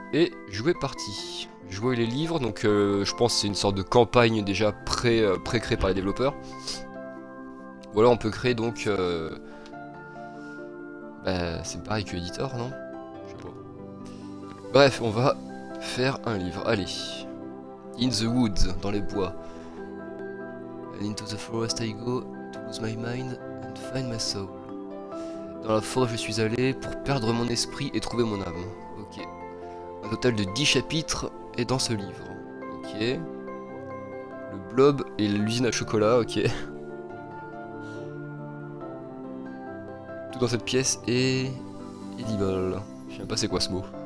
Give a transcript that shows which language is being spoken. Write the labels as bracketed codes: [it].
[fr] Et jouer partie. Jouer les livres, donc je pense que c'est une sorte de campagne déjà pré-créée par les développeurs. Ou alors on peut créer donc. C'est pareil que éditeur, non? Je sais pas. Bref, on va faire un livre. Allez. [en] In the woods, [fr] dans les bois. [en] And into the forest I go to lose my mind and find my soul. [fr] Dans la forêt, je suis allé pour perdre mon esprit et trouver mon âme. Ok. Un total de 10 chapitres est dans ce livre. Ok. Le blob et l'usine à chocolat, ok. Tout dans cette pièce est... edible. Je sais même pas c'est quoi ce mot.